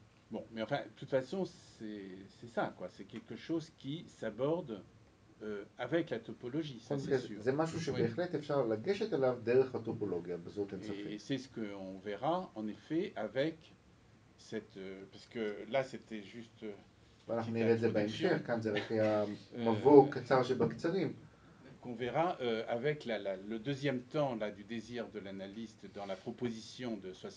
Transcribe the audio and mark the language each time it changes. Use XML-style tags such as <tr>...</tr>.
<fr>Bon, mais enfin, de toute façon, c'est ça, quoi. C'est quelque chose qui s'aborde avec la topologie, ça c'est sûr. C'est quelque chose qui est vraiment possible de gâcher à l'avenir de la topologie, en tout cas. Et c'est ce qu'on verra, en effet, avec cette... parce que là, c'était juste...</fr> <he>ואנחנו נראה את זה בהמשך, כאן זה רק המבוא קצר שבקצרים.</he> <fr>On verra avec le deuxième temps là du désir de l'analyste dans la proposition de</fr>